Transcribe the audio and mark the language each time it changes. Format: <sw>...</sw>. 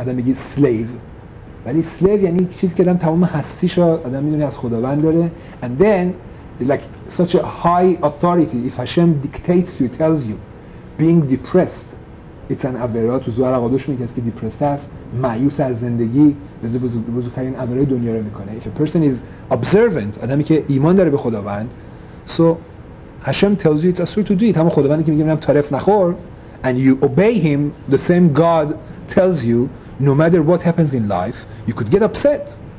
<fa>آدم میگه slave، ولی slave یعنی چیزی که آدم تمام هستیش رو آدم میدونه از خداوند داره.</fa> <en>And then like such a high authority, if Hashem dictates you, tells you being depressed, it's an avera.</en> <fa>تو زوهر عقادش میگه که دیپرست است، مایوس از زندگی، بزرگترین avera دنیا رو میکنه.</fa> <en>If a person is observant,</en> <fa>آدمی که ایمان داره به خداوند،</fa> <en>so Hashem tells you it's asur to do it.</en> <fa>همون خداوندی که میگه من طرف نخور،</fa> <en>and you obey him, the same God tells you no matter what happens in life, you could get upset.</en>